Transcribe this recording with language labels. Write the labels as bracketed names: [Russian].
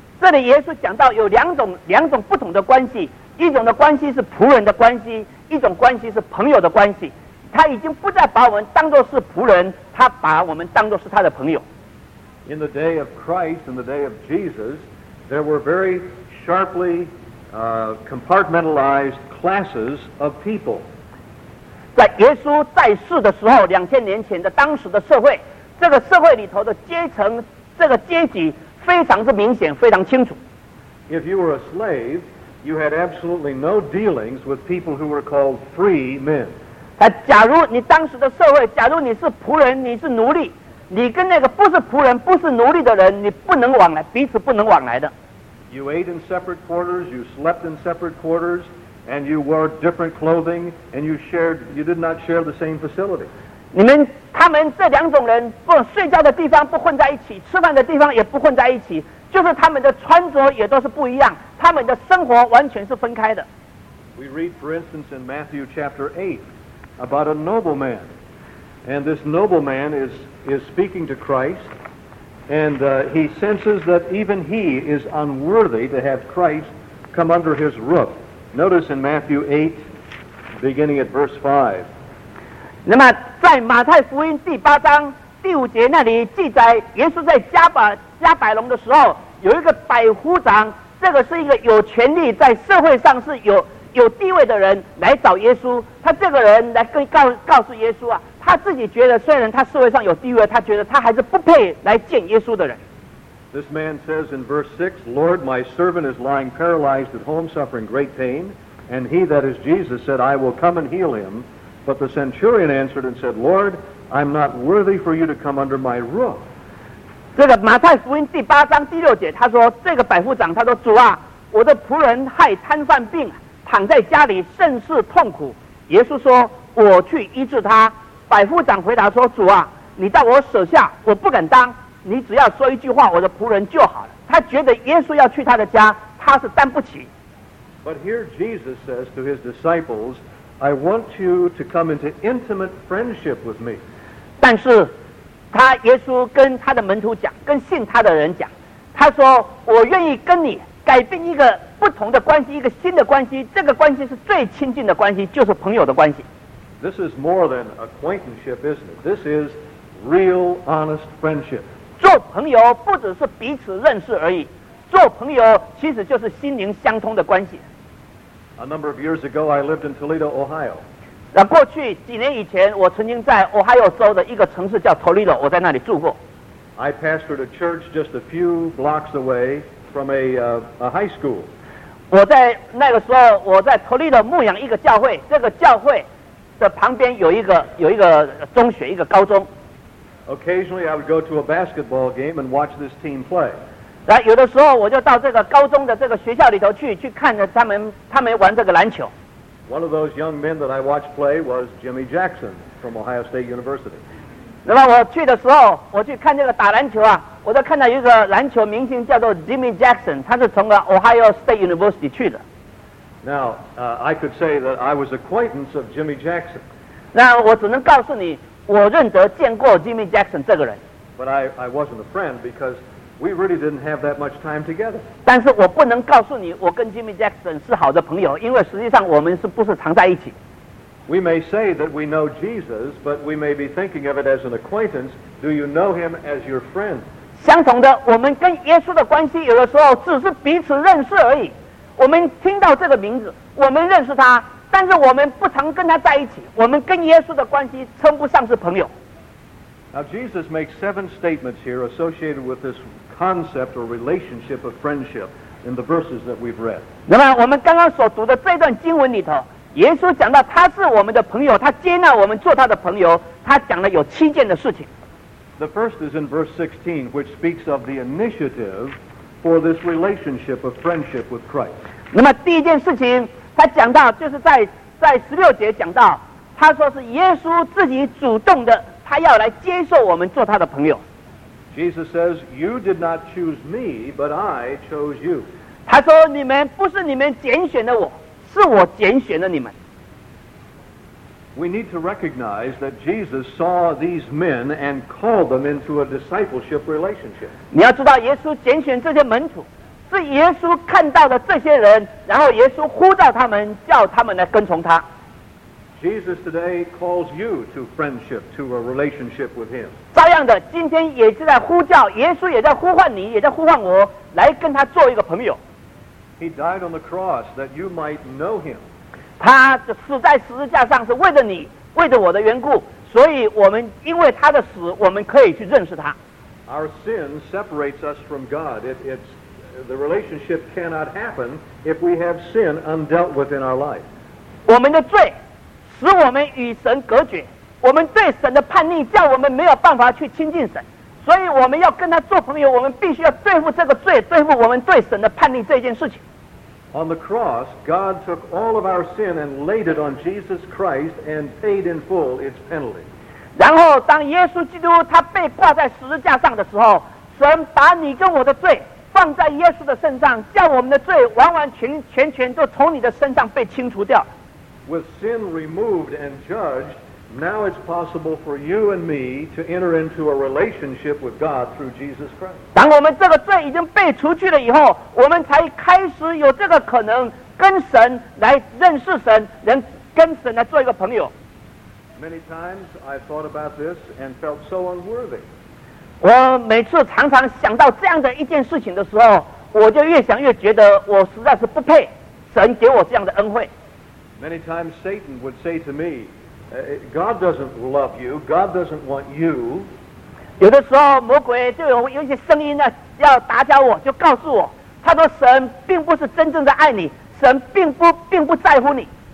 [Chinese] 这里耶稣讲到有两种不同的关系，一种的关系是仆人的关系，一种关系是朋友的关系。他已经不再把我们当作是仆人，他把我们当作是他的朋友。 [English] In the day of Christ, in the day of Jesus, there were very sharply compartmentalized classes of people. [Chinese] 在耶稣在世的时候，两千年前的当时的社会，这个社会里头的阶层，这个阶级非常是明显，非常清楚。 [English] If you were a slave, you had absolutely no dealings with people who were called free men. [Chinese] 假如你当时的社会，假如你是仆人，你是奴隶，你跟那个不是仆人不是奴隶的人，你不能往来，彼此不能往来的。 [English] You ate in separate quarters, you slept in separate quarters, and you wore different clothing, and you did not share the same facility. [Chinese] 他们这两种人不睡觉的地方不混在一起，吃饭的地方也不混在一起，就是他们的穿着也都是不一样，他们的生活完全是分开的。 [English] We read for instance in Matthew chapter 8 about a nobleman, and this nobleman is speaking to Christ, and he senses that even he is unworthy to have Christ come under his roof. Notice in Matthew 8, beginning at verse 5. [Chinese] 那么在马太福音第八章第五节那里记载，耶稣在加百农的时候，有一个百夫长，这个是一个有权力，在社会上是有地位的人来找耶稣。他这个人来告诉耶稣啊，他自己觉得虽然他社会上有地位，他觉得他还是不配来见耶稣的人。 [English] This man says in verse 6, Lord, my servant is lying paralyzed at home, suffering great pain. And he, that is Jesus, said, I will come and heal him. But the centurion answered and said, Lord, I'm not worthy for you to come under my roof. [Chinese] 这个马太福音第八章第六节，他说，这个百夫长，他说，主啊，我的仆人害瘫痪病，躺在家里甚是痛苦。耶稣说，我去医治他。百夫长回答说，主啊，你到我舍下，我不敢当。你只要说一句话，我的仆人就好了。他觉得耶稣要去他的家，他是担不起。 [English] But here Jesus says to his disciples, I want you to come into intimate friendship with me. [Chinese] 但是，他耶稣跟他的门徒讲，跟信他的人讲，他说，我愿意跟你改变一个不同的关系，一个新的关系，这个关系是最亲近的关系，就是朋友的关系。 [English] This is more than acquaintanceship, isn't it? This is real, honest friendship. [Chinese] 做朋友不只是彼此认识而已，做朋友其实就是心灵相通的关系。 [English] A number of years ago, I lived in Toledo, Ohio. [Chinese] 那过去几年以前，我曾经在 Ohio 州的一个城市叫 Toledo， 我在那里住过。 [English] I pastored a church just a few blocks away from a high school. [Chinese] 我在那个时候，我在 Toledo 牧养一个教会，这个教会的旁边有一个中学，一个高中。 [English] Occasionally, I would go to a basketball game and watch this team play. [Chinese] 来，有的时候我就到这个高中的这个学校里头去看着他们玩这个篮球。 [English] One of those young men that I watched play was Jimmy Jackson from Ohio State University. [Chinese] 那么我去的时候，我去看这个打篮球啊，我就看到一个篮球明星叫做 Jimmy Jackson， 他是从 Ohio State University 去的。 [English] Now, I could say that I was acquaintance of Jimmy Jackson. [Chinese] 那我只能告诉你。我认得见过 Jimmy Jackson 这个人 [English] But I wasn't a friend because we really didn't have that much time together. [Chinese] 但是我不能告诉你我跟 Jimmy Jackson 是好的朋友，因为实际上我们是不是常在一起。 [English] We may say that we know Jesus, but we may be thinking of it as an acquaintance. Do you know him as your friend? [Chinese] 相同的，我们跟耶稣的关系有的时候只是彼此认识而已。我们听到这个名字，我们认识他。但是我们不常跟他在一起，我们跟耶稣的关系称不上是朋友。 [English] Now Jesus makes seven statements here associated with this concept or relationship of friendship in the verses that we've read. [Chinese] 那么我们刚刚所读的这段经文里头，耶稣讲到他是我们的朋友，他接纳我们做他的朋友，他讲了有七件的事情。 [English] The first is in verse 16, which speaks of the initiative for this relationship of friendship with Christ. [Chinese] 那么第一件事情他讲到，就是在十六节讲到，他说是耶稣自己主动的，他要来接受我们做他的朋友。 [English] Jesus says, "You did not choose me, but I chose you." [Chinese] 他说你们不是你们拣选了我，是我拣选了你们。 [English] We need to recognize that Jesus saw these men and called them into a discipleship relationship. [Chinese] 你要知道，耶稣拣选这些门徒。是耶稣看到的这些人，然后耶稣呼召他们，叫他们来跟从他。 [English] Jesus today calls you to friendship, to a relationship with him. [Chinese] 照样的，今天也是在呼叫，耶稣也在呼唤你，也在呼唤我，来跟他做一个朋友。 [English] He died on the cross that you might know him. [Chinese] 他死在十字架上是为了你，为着我的缘故，所以我们因为他的死，我们可以去认识他。 [English] Our sin separates us from God. The relationship cannot happen if we have sin undealt with in our life. [Chinese] 我们的罪使我们与神隔绝，我们对神的叛逆叫我们没有办法去亲近神，所以我们要跟他做朋友，我们必须要对付这个罪，对付我们对神的叛逆这件事情。 [English] On the cross, God took all of our sin and laid it on Jesus Christ and paid in full its penalty. [Chinese] 然后当耶稣基督他被挂在十字架上的时候，神把你跟我的罪放在耶稣的身上，叫我们的罪完完全全都从你的身上被清除掉。 [English] With sin removed and judged, now it's possible for you and me to enter into a relationship with God through Jesus Christ. [Chinese] 当我们这个罪已经被除去了以后，我们才开始有这个可能跟神来认识神，能跟神来做一个朋友。 [English] Many times I thought about this and felt so unworthy. [Chinese] 我每次常常想到这样的一件事情的时候，我就越想越觉得我实在是不配神给我这样的恩惠。 [English] Many times Satan would say to me, God doesn't love you, God doesn't want you. [Chinese] 有的时候魔鬼就有一些声音呢，要打搅我，就告诉我，他说神并不是真正的爱你，神并不在乎你。